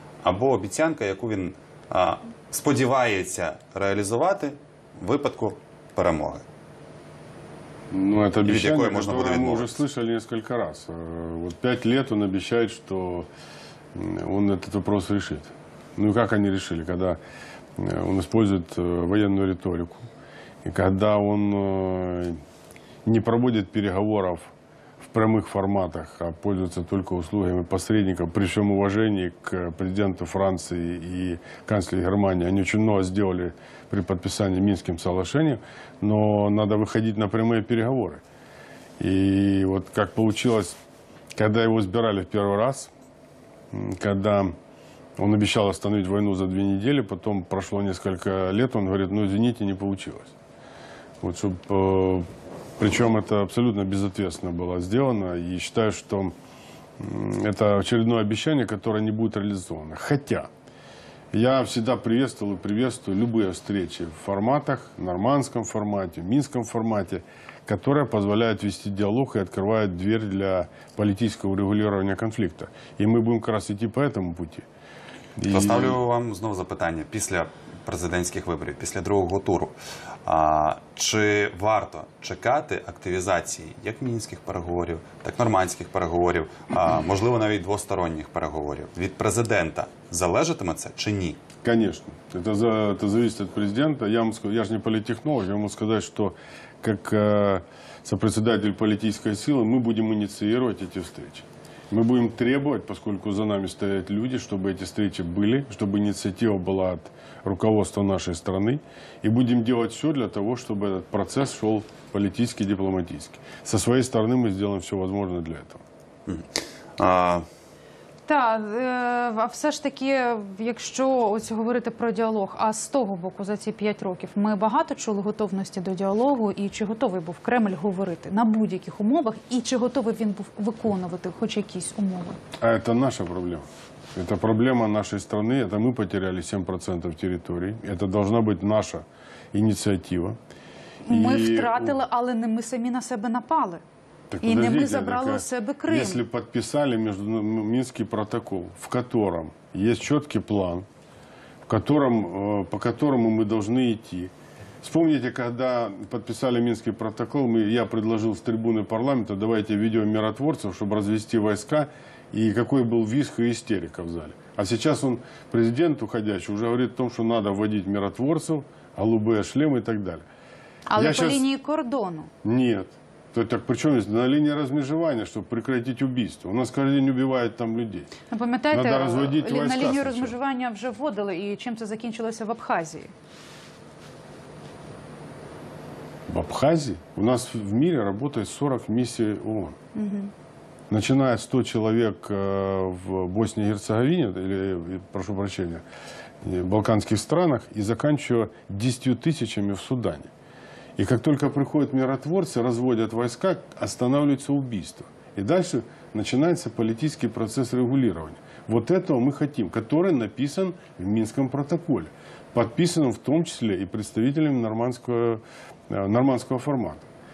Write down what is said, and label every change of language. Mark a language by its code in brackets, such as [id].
[uk] Або обіцянка, яку він сподівається реалізувати в випадку перемоги? Ну, це обіцянка, яку ми вже [ru] слышали [uk] кілька разів. От 5 років він обіцяє, що він цей питання вирішить. [ru] Ну и как они решили, когда он использует военную риторику, и когда он не проводит переговоров в прямых форматах, а пользуется только услугами посредников, при всем уважении к президенту Франции и канцлеру Германии. Они очень много сделали при подписании Минским соглашением, но надо выходить на прямые переговоры. И вот как получилось, когда его избирали в первый раз, когда... Он обещал остановить войну за 2 недели, потом прошло несколько лет, он говорит, ну извините, не получилось. Вот, причем это абсолютно безответственно было сделано, и считаю, что это очередное обещание, которое не будет реализовано. Хотя я всегда приветствовал и приветствую любые встречи в форматах, в нормандском формате, в минском формате, которая позволяет вести диалог и открывает дверь для политического урегулирования конфликта. И мы будем как раз идти по этому пути. [uk] Поставлю вам знову запитання після президентських виборів, після другого туру. Чи варто чекати активізації як мінських переговорів, так нормандських переговорів, можливо, навіть двосторонніх переговорів від президента? Залежатиме це чи ні? Звісно. Це залежить від президента. Я ж не політтехнолог, я можу сказати, що як [ru] сопредседатель [uk] політичної сили ми будемо ініціювати ці зустрічі. [ru] Мы будем требовать, поскольку за нами стоят люди, чтобы эти встречи были, чтобы инициатива была от руководства нашей страны. И будем делать все для того, чтобы этот процесс шел политически и дипломатически. Со своей стороны мы сделаем все возможное для этого. [uk] А все ж таки, якщо ось говорити про діалог, а з того боку за ці 5 років ми багато чули готовності до діалогу, і чи готовий був Кремль говорити на будь-яких умовах, і чи готовий він був виконувати хоч якісь умови? А це наша проблема. Це проблема нашої країни, це ми [ru] потеряли [uk] 7% території, це повинна бути наша ініціатива. Ми втратили, але не ми самі на себе напали. [ru] И не мы забрали у себя Крым. Если подписали Минский протокол, в котором есть четкий план, по которому мы должны идти. Вспомните, когда подписали Минский протокол, я предложил с трибуны парламента, давайте введем миротворцев, чтобы развести войска, и какой был визг и истерика в зале. А сейчас он, президент уходящий, уже говорит о том, что надо вводить миротворцев, голубые шлемы и так далее. [uk] Але [ru] по линии [uk] кордону? [ru] Нет. [uk] Так причому на лінії розмежування, щоб прикритити вбивство. У нас кожен день вбивають там людей. Ну, пам'ятаєте, на лінію розмежування вже вводили, і чим це закінчилося в Абхазії? В Абхазії? У нас в світі працює 40 місій ООН. Угу. Починає 100 чоловік в Боснії-Герцеговині, прошу прощення, в балканських [ru] странах, [uk] і закінчує 10 тисячами в Судані. [ru] И как только приходят миротворцы, разводят войска, останавливаются убийства. И дальше начинается политический процесс регулирования. Вот этого мы хотим, который написан в Минском протоколе. Подписан в том числе и представителями нормандского формата.